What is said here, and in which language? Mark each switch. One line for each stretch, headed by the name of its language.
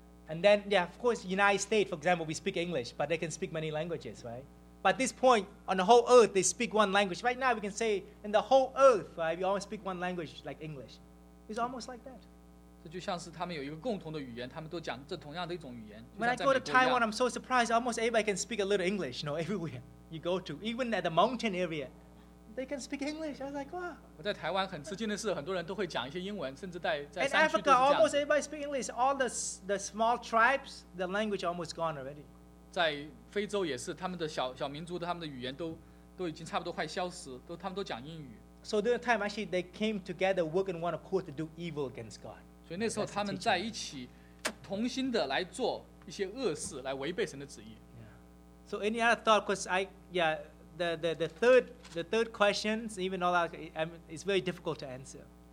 English: And then, yeah, of course, United States, for example, we speak English, but they can speak many languages, right? But at this point, on the whole earth, they speak one language. Right now, we can say, in the whole earth, right, we all speak one language, like English. It's almost like that.
Chinese: 这就像是他们有一个共同的语言, 他们都讲这同样的一种语言,
English: when I go to Taiwan, I'm so surprised, almost everybody can speak a little English, you know, everywhere you go to. Even at the mountain area, they can speak English. I was like, wow.
Chinese: 我在台湾很吃惊的是很多人都会讲一些英文, 甚至在山区都是这样。
English: In Africa, almost everybody speaks English. All the small tribes, the language almost gone already.
Chinese: 在非洲也是, 他们的小民族的, 他们的语言都已经差不多快消失, 他们都讲英语。
English: So during the time, actually, they came together, work in one accord to do evil against God.
Chinese: 所以那时候他们在一起, 同心的来做一些恶事, 来违背神的旨意。
English: Yeah. So any other thought, because I, yeah, the third questions even all that is very difficult to answer.